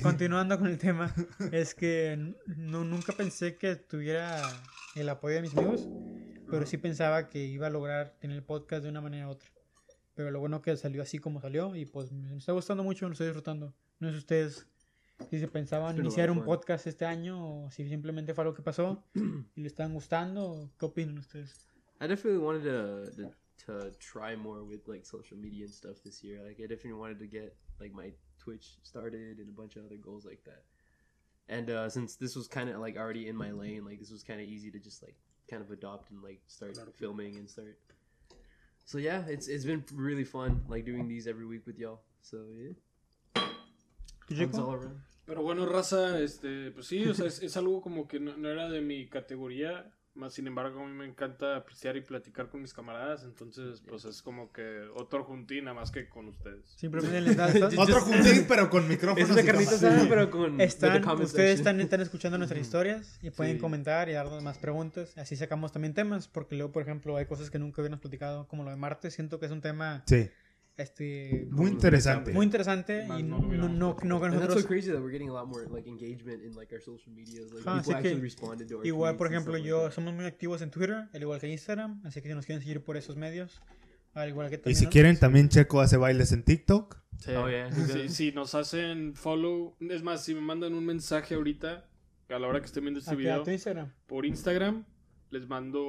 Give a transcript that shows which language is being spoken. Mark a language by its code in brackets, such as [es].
[es] continuando con el tema, es que nunca pensé que tuviera el apoyo de mis amigos, pero sí pensaba que iba a lograr tener el podcast de una manera u otra. Pero lo bueno que salió así como salió, y pues me está gustando mucho, me lo estoy disfrutando. No sé ustedes si se pensaban iniciar un podcast este año, o si simplemente fue algo que pasó y le están gustando. ¿Qué opinan ustedes? [en] I definitely wanted to try more with like social media and stuff this year. Like I definitely wanted to get like my Twitch started and a bunch of other goals like that. And since this was kind of like already in my lane, like this was kind of easy to just like kind of adopt and like start filming and start. So yeah, it's been really fun like doing these every week with y'all. So yeah. [es] Pero bueno, raza, pues sí, o sea, es algo como que no era de mi categoría, más sin embargo a mí me encanta apreciar y platicar con mis camaradas, entonces pues es como que otro juntín nada más que con ustedes. Simplemente otro juntín pero con micrófonos. Es de carnitas, pero con ustedes están escuchando nuestras historias y pueden comentar y darnos más preguntas, así sacamos también temas, porque luego, por ejemplo, hay cosas que nunca hubiéramos platicado, como lo de Marte, siento que es un tema muy interesante y no que nosotros, [en] and that's so crazy that we're getting a lot more like engagement in like our social media, like people actually responded to our, [es] igual por ejemplo yo like somos muy activos en Twitter al igual que Instagram, así que si nos quieren seguir por esos medios al igual que también, y si quieren también Checo hace bailes en TikTok. Sí, nos hacen follow, es más, si me mandan un mensaje ahorita a la hora que estén viendo este video por Instagram, les mando,